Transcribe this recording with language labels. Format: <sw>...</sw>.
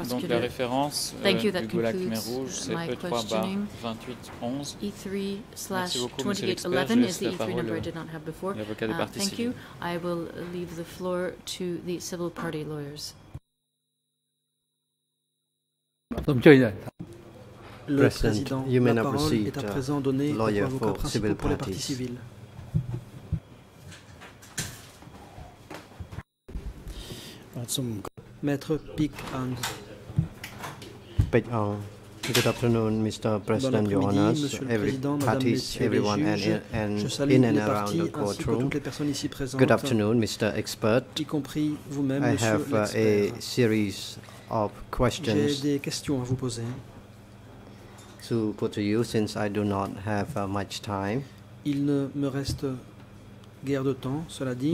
<fr>Donc, la référence du Goulag Khmer Rouge, c'est E3/2811. Merci beaucoup, monsieur l'expert. Je laisse la parole à l'avocat des parties civiles.</fr> <en>I will leave the floor to the civil party lawyers.</en> <fr>Le président,</fr> <en>you may</en> <fr>la parole</fr> <en>proceed,</en> <fr>est à présent donné aux avocats principaux pour les parties civiles. Maître Pik-Ang.</fr> <en>Good afternoon, Mr. President, Your Honors, every parties, everyone, and in and around the courtroom. Good afternoon, Mr. Expert.</en> <fr>Y compris vous-même,</fr> <en>I have a series of questions.</en> <fr>J'ai des questions à vous poser.</fr> <en>To put to you, since I do not have much time.</en> <fr>Il ne me reste guère de temps, cela dit.</fr>